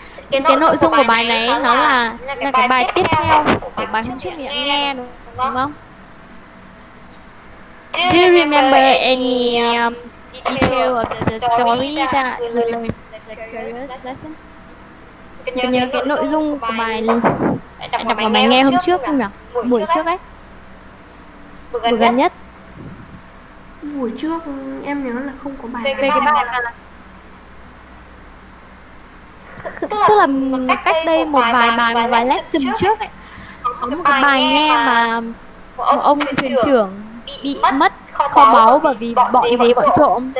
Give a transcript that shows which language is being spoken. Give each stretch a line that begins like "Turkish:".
Vietnamese: Cái nội dung của bài này nó là cái bài tiếp theo của bài hôm trước mình nghe đúng không?
English: Do you remember any detail of the story that we learned the curious lesson?
Vietnamese: Cái nhớ cái nội dung của bài đọc mà mày nghe hôm trước không nhỉ? Buổi trước ấy. Buổi gần nhất. Buổi trước em nhớ là không có bài. Về cái bài mà tức là cách đây một vài bài, một vài lesson trước ấy. Có một cái bài nghe mà một ông thuyền trưởng bị mất kho báu bởi vì bọn gì bọn trộm.